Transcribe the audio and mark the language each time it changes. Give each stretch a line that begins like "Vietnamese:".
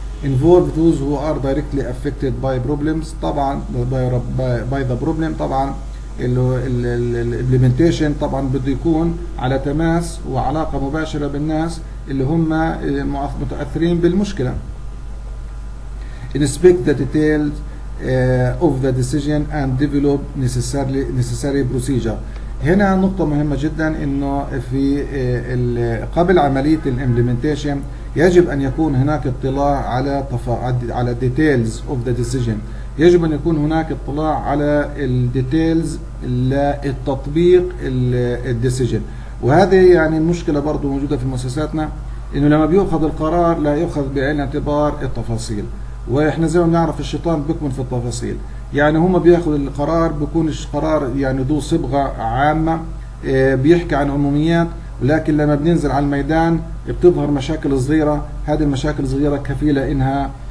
English: Involve those who are directly affected by problems.
Arabic: طبعا
English: by the problem،
Arabic: طبعا الامبلمنتيشن طبعا بده يكون على تماس وعلاقه مباشره بالناس اللي هم متاثرين بالمشكله.
English: Inspect the details of the decision and develop necessary procedure.
Arabic: هنا نقطه مهمه جدا انه في قبل عمليه الامبلمنتيشن يجب ان يكون هناك اطلاع على
English: details of the decision.
Arabic: يجب ان يكون هناك اطلاع على الديتيلز للتطبيق الديسيجن، وهذه يعني المشكله برضه موجوده في مؤسساتنا، انه لما بيؤخذ القرار لا يؤخذ بعين الاعتبار التفاصيل، واحنا زي ما بنعرف الشيطان بيكمن في التفاصيل، يعني هم بياخذوا القرار بيكونش قرار يعني ذو صبغه عامه، بيحكي عن عموميات، ولكن لما بننزل على الميدان بتظهر مشاكل صغيره، هذه المشاكل الصغيره كفيله انها